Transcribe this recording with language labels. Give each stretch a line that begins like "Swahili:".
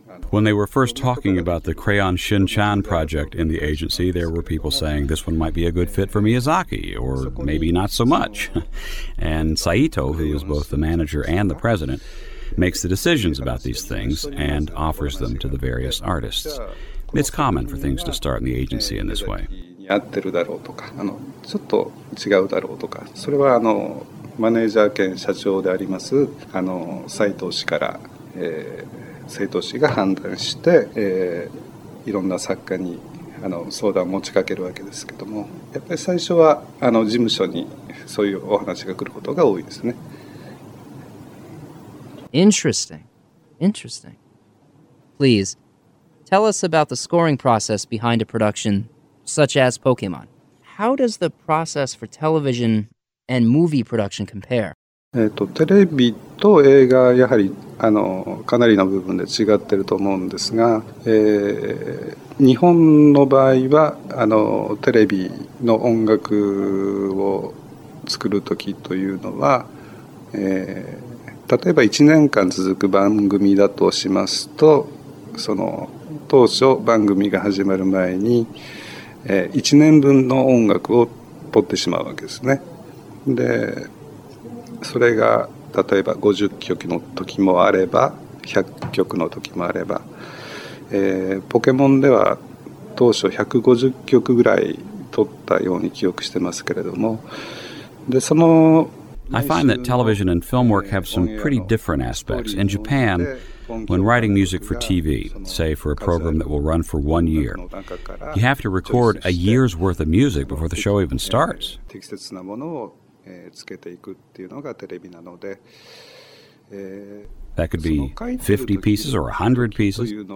English: When they were first talking about the Crayon Shin-chan project in the agency, there were people saying this one might be a good fit for Miyazaki, or maybe not so much. And Saito, who is both the manager and the president,makes the decisions about these things and offers them to the various artists. It's common for things to start in the agency in this way.
Japanese: に合ってるだろうとか、ちょっと違うだろうとか、それはマネージャー兼社長であります斉藤氏から、斉藤氏が判断して、いろんな作家に相談を持ちかけるわけですけども、やっぱり最初は事務所にそういうお話が来ることが多いですね。
English: Interesting. Please tell us about the scoring process behind a production such as Pokemon. How does the process for television and movie production compare?
Japanese: テレビと映画やはりかなりの部分で違ってると思うんですが、日本の場合はテレビの音楽を作るときというのは、例えば1年間続く番組だとしますと、その当初番組が始まる前に、1年分の音楽を取ってしまうわけですね。で、それが例えば50曲の時もあれば100曲の時もあれば、ポケモンでは当初150曲ぐらい取ったように記憶してますけれども、でその
English: I find that television and film work have some pretty different aspects. In Japan, when writing music for TV, say for a program that will run for 1 year, you have to record a year's worth of music before the show even starts.
Japanese: 適切なものをつけていくっていうのがテレビなので、
English: That could be 50 pieces or 100 pieces.